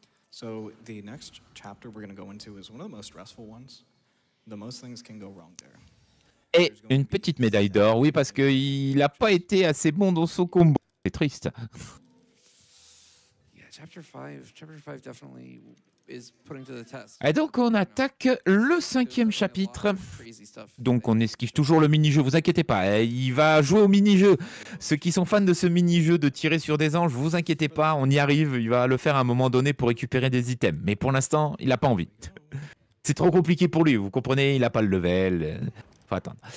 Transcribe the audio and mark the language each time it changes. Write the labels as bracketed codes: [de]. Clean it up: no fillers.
[en] So the next chapter we're going to go into is one of the most stressful ones. The most things can go wrong there. [fr] Et une petite médaille d'or, oui, parce que il a pas été assez bon dans son combo. C'est triste. [en] Yeah, chapter 5 definitely is putting to the test. [fr] Et donc on attaque le cinquième chapitre. Donc on esquive toujours le mini-jeu, vous inquiétez pas, il va jouer au mini-jeu. Ceux qui sont fans de ce mini-jeu de tirer sur des anges, vous inquiétez pas, on y arrive, il va le faire à un moment donné pour récupérer des items. Mais pour l'instant, il n'a pas envie. C'est trop compliqué pour lui, vous comprenez, il n'a pas le level. Faut attendre.